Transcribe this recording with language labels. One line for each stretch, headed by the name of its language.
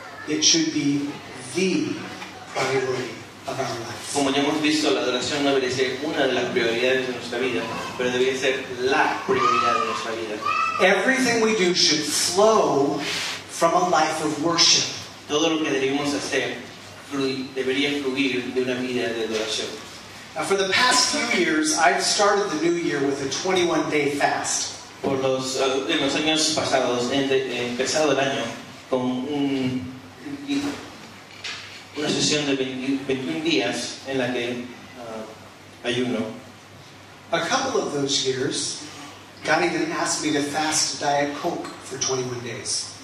English: It should be the priority of our life.
Spanish: Como ya hemos visto, la adoración no debería ser una de las prioridades de nuestra vida, pero debería ser la prioridad de nuestra vida.
English: Everything we do should flow from a life of worship.
Spanish: Todo lo que debemos hacer debería fluir de una vida de adoración.
English: Now, for the past few years, I've started the new year with a 21-day fast.
Spanish: Por los en los años pasados empezado el año con una sesión de 21 días en la que ayuno.
English: A couple of those years, God even asked me to fast Diet Coke for 21 days.